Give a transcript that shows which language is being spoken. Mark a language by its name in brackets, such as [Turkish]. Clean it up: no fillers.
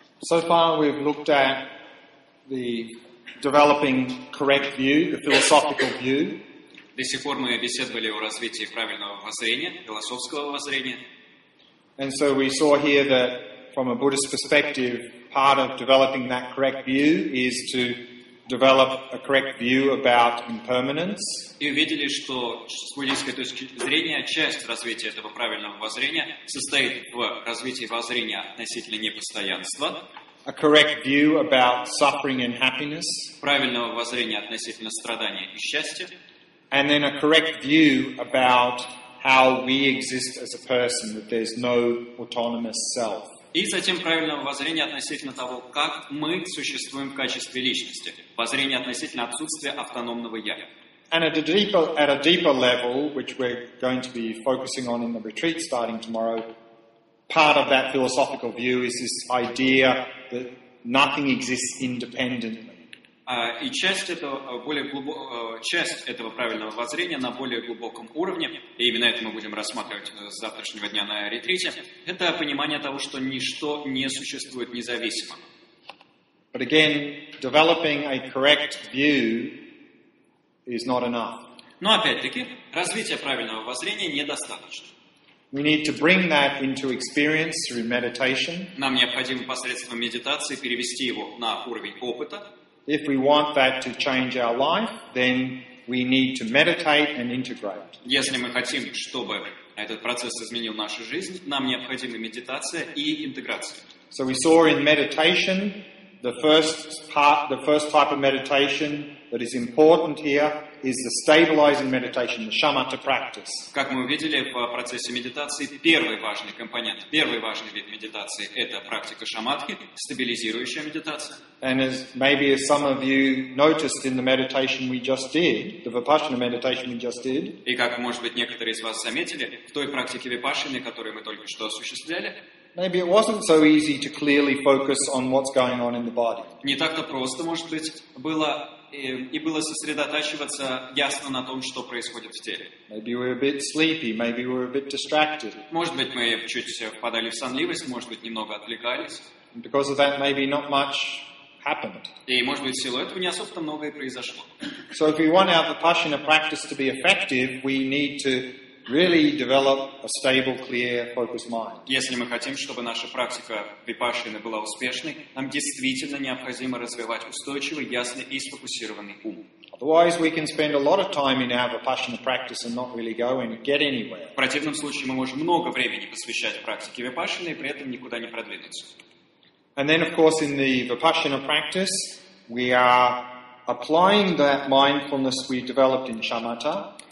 [English] So far we've looked at the developing correct view, the philosophical view. [Russian] До сих пор мы беседовали о развитии правильного воззрения, философского воззрения. [English] And so we saw here that from a Buddhist perspective, part of developing that correct view is to develop a correct view about impermanence. [Russian] И увидели, что с буддийской точки зрения часть развития этого правильного воззрения состоит в развитии воззрения относительно непостоянства. [English] A correct view about suffering and happiness. [Russian] Правильного воззрения относительно страдания и счастья. [English] And then a correct view about how we exist as a person, that there's no autonomous self. [Russian] И затем правильного воззрения относительно того, как мы существуем в качестве личности. Воззрение относительно отсутствия автономного «я». [English] And at a deeper level, which we're going to be focusing on in the retreat starting tomorrow, part of that philosophical view is this idea that nothing exists independently. [Russian] И часть этого, более часть этого правильного воззрения на более глубоком уровне, и именно это мы будем рассматривать с завтрашнего дня на ретрите, это понимание того, что ничто не существует независимо. [English] But again, developing a correct view is not enough. [Russian] Но опять-таки, развитие правильного воззрения недостаточно. [English] We need to bring that into experience through meditation. [Russian] Нам необходимо посредством медитации перевести его на уровень опыта. [English] If we want that to change our life, then we need to meditate and integrate. [Russian] Если мы хотим, чтобы этот процесс изменил нашу жизнь, нам необходима медитация и интеграция. [English] So we saw in meditation, the first type of meditation that is important here is the stabilizing meditation, the shamatha practice. [Russian] Как мы увидели в процессе медитации, первый важный компонент, первый важный вид медитации – это практика шаматхи, стабилизирующая медитация. [English] And as maybe as some of you noticed in the meditation we just did, the vipassana meditation we just did. [Russian] И как, может быть, некоторые из вас заметили, в той практике випашаны, которую мы только что осуществляли, [English] maybe it wasn't so easy to clearly focus on what's going on in the body. [Russian] Не так-то просто, может быть, было и было сосредотачиваться ясно на том, что происходит в теле. [English] Maybe we were a bit sleepy, maybe we were a bit distracted. [Russian] Может быть, мы чуть впадали в сонливость, может быть, немного отвлекались. [English] And because of that, maybe not much happened. [Russian] И, может быть, в силу этого не особо-то многое произошло. [English] So if we want our vipassana practice to be effective, we need to really develop a stable, clear, focused mind. [Russian] Если мы хотим, чтобы наша практика випассаны была успешной, нам действительно необходимо развивать устойчивый, ясный и сфокусированный ум. [English] Otherwise, we can spend a lot of time in our vipassana practice and not really go and get anywhere. [Russian] В противном случае мы можем много времени посвящать практике випассаны и при этом никуда не продвинуться. [English] And then, of course, in the vipassana practice, we are applying that mindfulness we developed in shamatha.